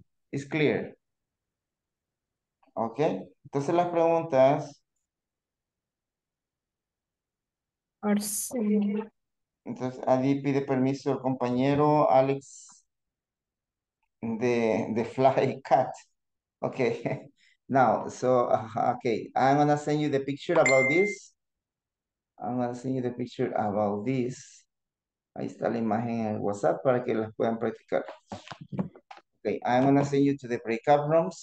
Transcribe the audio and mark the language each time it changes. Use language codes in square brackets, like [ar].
[en] It's clear. [es] Ok, entonces las preguntas. Entonces, Adi pide permiso al compañero Alex de Fly Cat. [en] Ok, now, so, okay, I'm gonna send you the picture about this. I'm gonna send you the picture about this. [es] Ahí está la imagen en WhatsApp para que las puedan practicar. [en] Ok, I'm gonna send you to the breakout rooms.